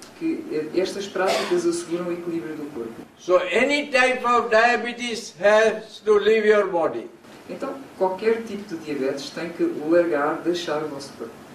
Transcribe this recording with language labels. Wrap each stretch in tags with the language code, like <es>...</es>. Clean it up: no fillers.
<pt>que estas práticas asseguram o equilíbrio do corpo.</pt> <en>So any type of diabetes has to leave your body.</en> <pt>Então qualquer tipo de diabetes tem que largar, deixar o vosso corpo.</pt>